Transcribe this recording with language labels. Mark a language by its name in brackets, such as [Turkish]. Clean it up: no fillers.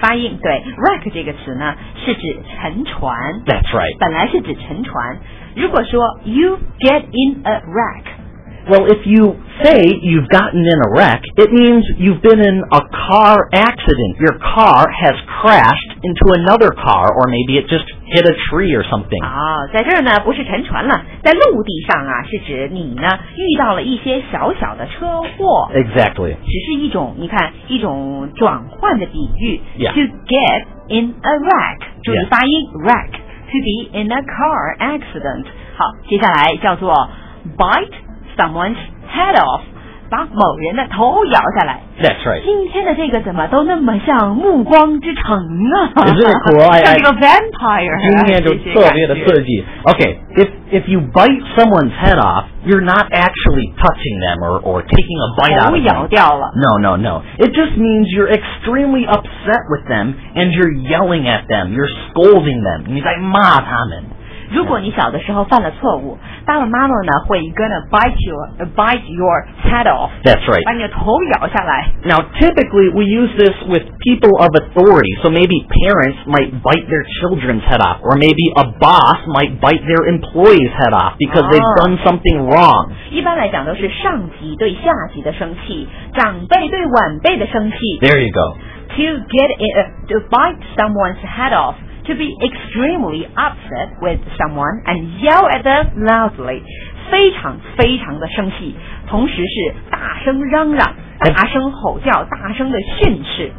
[Chinese] 发音对 wreck 这个词呢，是指沉船。 [English] That's right. [Chinese] 本来是指沉船。如果说 [English] you get in a wreck, Well, if you say you've gotten in a wreck, it means you've been in a car accident. Your car has crashed into another car, or maybe it just hit a tree or something. [Chinese] 哦，在这儿呢，不是沉船了，在陆地上啊，是指你呢遇到了一些小小的车祸。 [English] Exactly. [Chinese] 只是一种，你看，一种转换的比喻。 [English] Yeah. To get in a wreck. [Chinese] 注意发音、 [English] yeah. wreck. To be in a car accident. [Chinese] 好，接下来叫做 [English] bite. Someone's head off, [Chinese] 把某人的头咬下来。 [English] That's right. [Chinese] 今天的这个怎么都那么像《暮光之城》啊？ [English] Is it cool? [Chinese] 像一个 vampire. 今天就特别的刺激。 [English] Okay, if you bite someone's head off, you're not actually touching them or taking a bite out of them. [Chinese] 头咬掉了。 [English] No, no, no. It just means you're extremely upset with them and you're yelling at them. You're scolding them. [Chinese] 你在骂他们。如果你小的时候犯了错误，爸爸妈妈呢会 [English] gonna bite your head off. That's right. [Chinese] 把你的头咬下来。 [English] Now, typically, we use this with people of authority. So maybe parents might bite their children's head off. Or maybe a boss might bite their employee's head off because they've done something wrong. [Chinese] 一般来讲都是上级对下级的生气，长辈对晚辈的生气。 [English] There you go. To bite someone's head off. To be extremely upset with someone and yell at them loudly. [Chinese] 非常非常的生气，同时是大声嚷嚷，大声吼叫，大声的训斥。